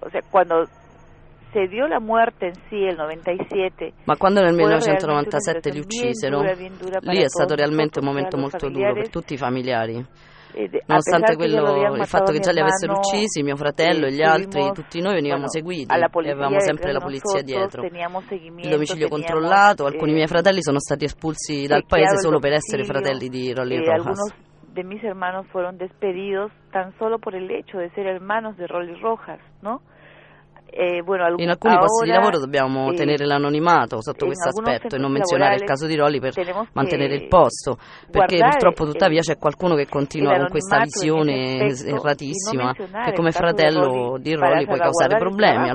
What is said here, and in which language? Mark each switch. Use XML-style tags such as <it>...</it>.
<es>Quando se dio la muerte in sí, el 97.</es> <it>Ma quando nel 1997 li uccisero, lì è stato realmente un momento molto duro per tutti i familiari. Nonostante quello, il fatto che già li avessero uccisi, mio fratello e gli altri, tutti noi venivamo seguiti e avevamo sempre la polizia dietro. Il domicilio controllato, alcuni miei fratelli sono stati espulsi dal paese solo per essere fratelli di Rolly Rojas.</it> <es>De mis hermanos fueron despedidos tan solo por el hecho de ser hermanos de Rolly Rojas, ¿no?</es> <it>In alcuni posti di lavoro dobbiamo tenere l'anonimato sotto questo aspetto e non menzionare il caso di Rolly per mantenere il posto, perché purtroppo tuttavia c'è qualcuno che continua con questa visione erratissima che come fratello di Rolly puoi causare problemi.</it>